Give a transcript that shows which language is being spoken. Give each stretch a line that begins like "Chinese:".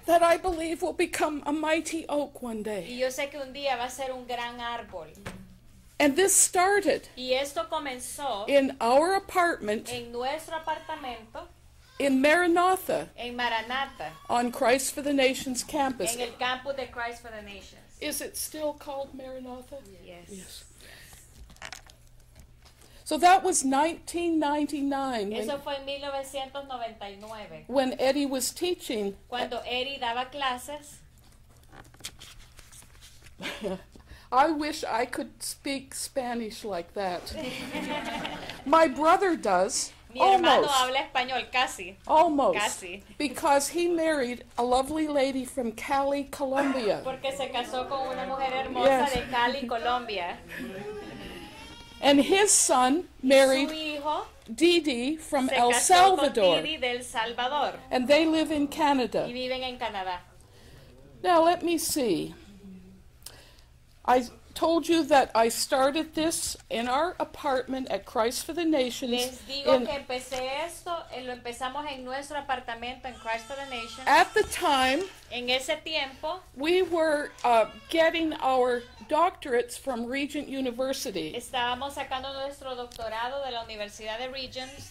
English: That I believe will become a mighty oak one day.
Spanish: Y yo sé que un día va a ser un gran árbol.
English: And this started.
Spanish: Y esto comenzó.
English: In our apartment.
Spanish: En nuestro apartamento.
English: In Maranatha.
Spanish: En Maranatha.
English: On Christ for the Nations campus.
Spanish: En el campus de Christ for the Nations.
English: Is it still called Maranatha? Yes. Yes. So that was 1999.
Spanish: Eso fue en 1999.
English: When Eddie was teaching.
Spanish: Cuando Eddie daba clases.
English: I wish I could speak Spanish like that. My brother does.
Spanish: Mi hermano
English: almost.
Spanish: Habla español casi.
English: Almost.
Spanish: Casi.
English: Because he married a lovely lady from Cali, Colombia.
Spanish: Porque se casó con una mujer hermosa yes. de Cali, Colombia.
English: And his son married Didi from El Salvador.
Spanish: Didi del Salvador.
English: And they live in Canada.
Spanish: Y viven en Canadá.
English: Now let me see. I told you that I started this in our apartment at Christ for the Nations.
Spanish: Les digo que empecé esto, lo empezamos en nuestro apartamento en Christ for the Nations.
English: At the time,
Spanish: en ese tiempo,
English: we were getting our doctorates from Regent University.
Spanish: Estábamos sacando nuestro doctorado de la Universidad de Regent.